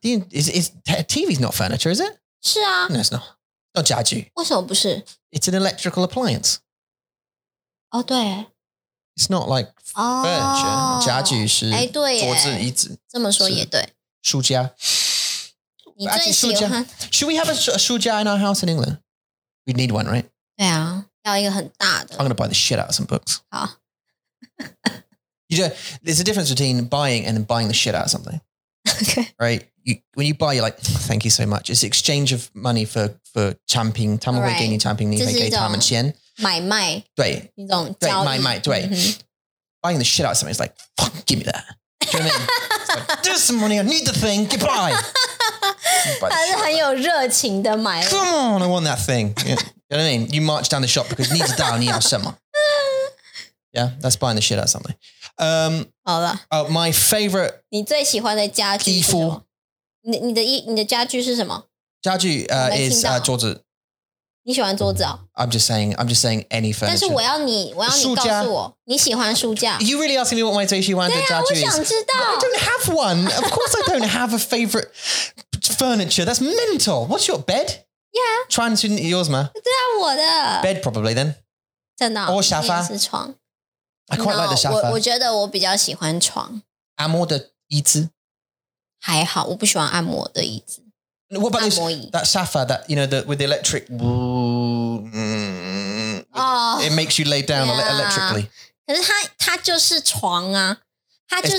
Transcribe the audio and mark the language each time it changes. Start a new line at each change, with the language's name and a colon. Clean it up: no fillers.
English: TV's not furniture, is it?
Chinese: 是啊。
English: No, it's not. Not 家具。
Chinese: 为什么不是?
English: It's an electrical appliance.
Chinese: 哦,对。
English: It's not like furniture.
Chinese: 家具是桌子椅子。这么说也对。书架。你最喜欢?
English: Should we have a 书架 in our house in England? We'd need one, right?
Chinese: 对啊,要一个很大的。
English: I'm going to buy the shit out of some books.
Chinese: 好。
English: You know, there's a difference between buying and buying the shit out of something. Okay. Right? When you buy, you're like, thank you so much. It's exchange of money for
Chinese: 产品,他们会给你产品,你会给他们钱。买卖,对,买卖,对,
English: buying the shit out of something, it's like, fuck, give me that. Do you know what I mean? It's like, there's some money, I need the thing, goodbye.
Chinese: 还是很有热情的买,
English: come on, I want that thing. Yeah. You know what I mean? You march down the shop because you need to die,
Chinese: 你要什么?
English: Yeah, that's buying the shit out of something.
Chinese: 好了,
English: oh, my favorite,
Chinese: 你最喜欢的家具是什么? 你的家具是什么? 家具, is 桌子。你喜欢桌子哦?
English: I'm just saying any furniture.
Chinese: 但是我要你告诉我,你喜欢书架。
English: You really asking me what my
Chinese: 最喜欢的家具 is? 我想知道。
English: I don't have one. Of course I don't have a favorite furniture. That's mental. What's your bed? Yeah. Try and see yours, ma.
Chinese: 对啊,我的。
English: Bed probably then.
Chinese: 真的哦?
English: Or 沙发?
Chinese: 你也是床。
English: I quite like the 沙发。
Chinese: 我觉得我比较喜欢床。按摩的椅子? 还好,我不喜欢按摩的椅子。
English: What about this, that sofa that, you know, with the electric, it makes you lay down yeah. electrically.
Chinese: 可是它就是床啊, 它就是,